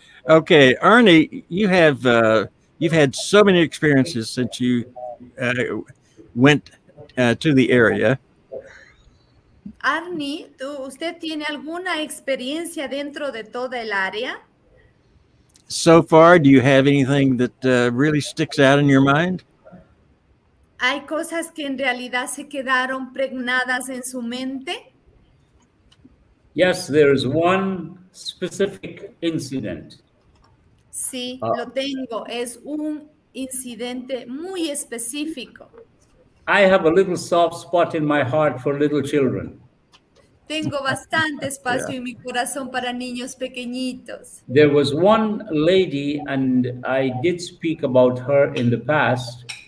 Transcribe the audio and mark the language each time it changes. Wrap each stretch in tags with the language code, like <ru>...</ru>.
<en>Okay, Arnie, you've had so many experiences since you went to the area.</en> <es>Arnie, ¿usted tiene alguna experiencia dentro de toda el área?</es> <en>So far, do you have anything that really sticks out in your mind?</en> <es>¿Hay cosas que en realidad se quedaron pregnadas en su mente?</es> <en>Yes, there is one specific incident.</en> <es>Sí, lo tengo. Es un incidente muy específico.</es> <en>I have a little soft spot in my heart for little children.</en> <es>Tengo bastante espacio yeah. en mi corazón para niños pequeñitos.</es> <en>There was one lady, and I did speak about her in the past.</en>